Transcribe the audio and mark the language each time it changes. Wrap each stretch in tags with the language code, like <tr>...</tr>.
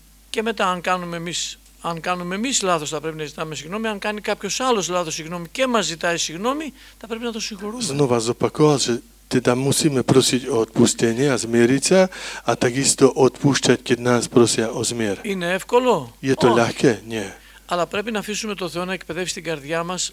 <el>Και μετά αν κάνουμε εμείς λάθος, θα πρέπει να ζητάμε συγγνώμη. Αν κάνει κάποιος άλλος λάθος συγγνώμη και μας ζητάει συγγνώμη, θα πρέπει να το συγχωρούμε.</el> <sk>Znova zopakoval, že teda musíme prosiť o odpustenie a zmieriť sa a takisto odpúšťať, keď nás prosia o zmier.</sk> <el>Είναι εύκολο?</el> <sk>Je to ľahké? Nie.</sk> <el>Αλλά πρέπει να αφήσουμε το Θεό να εκπαιδεύσει την καρδιά μας.</el>